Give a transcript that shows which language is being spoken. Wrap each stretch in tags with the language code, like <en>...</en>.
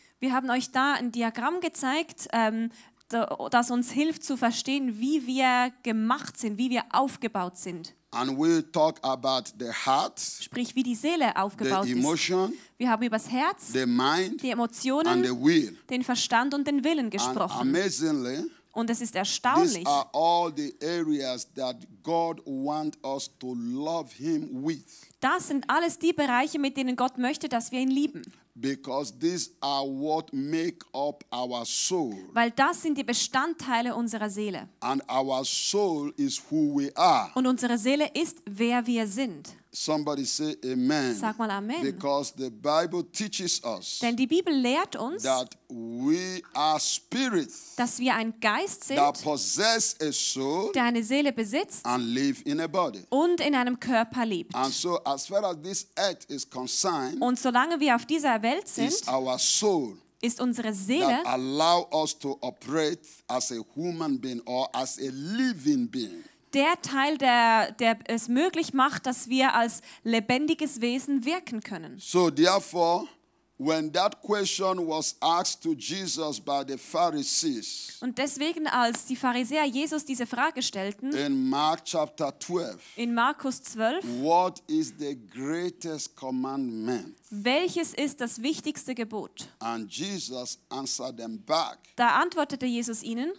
<de>Wir haben euch da ein Diagramm gezeigt, das uns hilft zu verstehen, wie wir gemacht sind, wie wir aufgebaut sind.</de> <en>And we'll talk about the heart,</en> <de>sprich, wie die Seele aufgebaut</de> <en>the emotion,</en> <de>ist. Wir haben über das Herz,</de> <en>the mind,</en> <de>die Emotionen,</de> <en>and the will.</en> <de>Den Verstand und den Willen gesprochen.</de> <en>And amazingly,</en> <de>und es ist erstaunlich,</de> <en>these are all the areas that God want us to love him with.</en> <de>Das sind alles die Bereiche, mit denen Gott möchte, dass wir ihn lieben.</de> <en>Because these are what make up our soul.</en> <de>Weil das sind die Bestandteile unserer Seele.</de> <en>And our soul is who we are.</en> <de>Und unsere Seele ist, wer wir sind.</de> <en>Somebody say amen.</en> <de>Sag mal amen.</de> <en>Because the Bible teaches us.</en> <de>Denn die Bibel lehrt uns,</de> <en>that we are spirits.</en> <de>Dass wir ein Geist sind,</de> <en>that possess a soul,</en> <de>der eine Seele besitzt,</de> <en>and live in a body.</en> <de>Und in einem Körper lebt.</de> <en>And so as far as this earth is concerned,</en> <de>und solange wir auf dieser Welt sind,</de> <en>is our soul.</en> <de>Ist unsere Seele,</de> <en>that allow us to operate as a human being or as a living being.</en> <de>Der Teil, der es möglich macht, dass wir als lebendiges Wesen wirken können.</de> <en>So therefore, when that question was asked to Jesus by the Pharisees,</en> <de>und deswegen, als die Pharisäer Jesus diese Frage stellten,</de> <en>in Mark chapter 12,</en> <de>in Markus 12,</de> <en>what is the greatest commandment?</en> <de>Welches ist das wichtigste Gebot?</de> <en>And Jesus answered them back,</en> <de>da antwortete Jesus ihnen,</de>